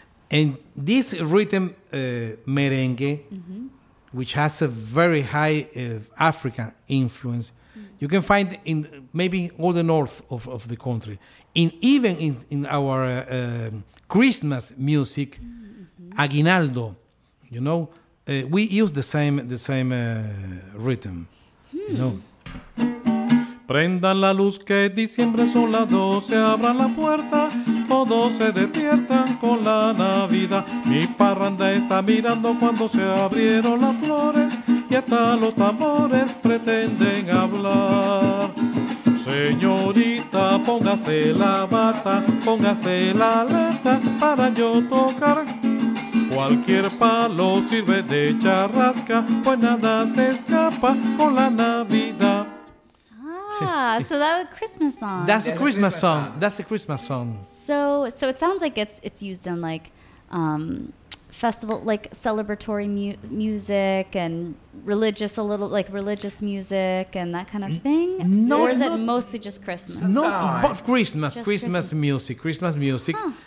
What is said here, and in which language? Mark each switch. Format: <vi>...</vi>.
<en>And this rhythm, merengue, which has a very high African influence, you can find in maybe all the north of the country. Even in our Christmas music, Aguinaldo, you know, we use the same rhythm, you know.</en> <es>Prendan la luz que diciembre es un lado, se abra la puerta, todos se despiertan con la Navidad. Mi parranda está mirando cuando se abrieron las flores y hasta los tambores pretenden hablar. Señorita, póngase la bata, póngase la aleta para yo tocar. Cualquier palo sirve de charrasca, pues nada se escapa con la Navidad.</es> <en>So that's a Christmas song. That's a Christmas song. So it sounds like it's used in like festival, like celebratory music and religious music and that kind of thing. Or is it mostly just Christmas? No, both Christmas music. Huh.</en>